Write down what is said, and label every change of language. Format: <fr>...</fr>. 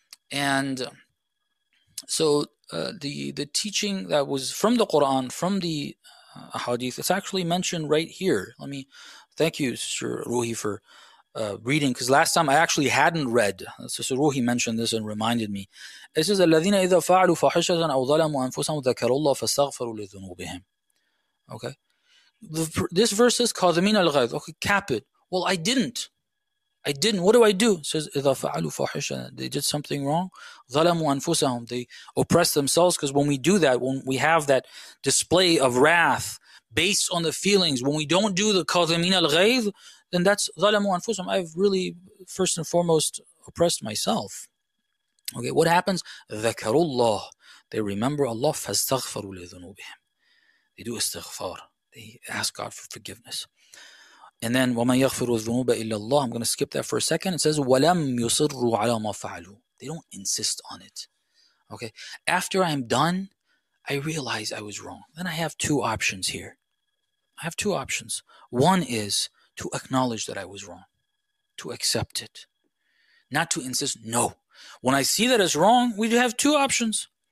<en>And so the teaching that was from the Quran, from the hadith, it's actually mentioned right here. Let me Thank you, Sister Ruhi, for reading. Because last time I actually hadn't read. Sister Ruhi mentioned this and reminded me. It says,</en> <ar>"الذين إذا فعلوا فاحشة أو ظلموا أنفسهم ذكروا الله فاستغفروا لذنوبهم."</ar> <en>Okay. This verse says,</en> <ar>"كاظمين الغيظ."</ar> <en>Okay, cap it. Well, I didn't. I didn't. What do I do? It says,</en> <ar>"إذا فعلوا فاحشة."</ar> <en>They did something wrong.</en> <ar>ظلموا أنفسهم.</ar> <en>They oppressed themselves. Because when we do that, when we have that display of wrath based on the feelings, when we don't do the kathamin al ghayz, then that's</en> <ar>ظلموا أنفسهم.</ar> <en>I've really, first and foremost, oppressed myself. Okay, what happens?</en> <ar>ذكروا الله.</ar> <en>They remember Allah.</en> <ar>فاستغفروا لذنوبهم.</ar> <en>They do istighfar. They ask God for forgiveness. And then,</en> <ar>وَمَنْ يَغْفِرُ الذُّنُوبَ إِلَّا اللَّهِ.</ar> <en>I'm going to skip that for a second. It says,</en> <ar>وَلَمْ يُصِرُّوا عَلَى مَا فَعَلُوا.</ar> <en>They don't insist on it. Okay, after I'm done, I realize I was wrong. Then I have two options here. I have two options. One is to acknowledge that I was wrong. To accept it. Not to insist, no. When I see that it's wrong, we have two options.</en>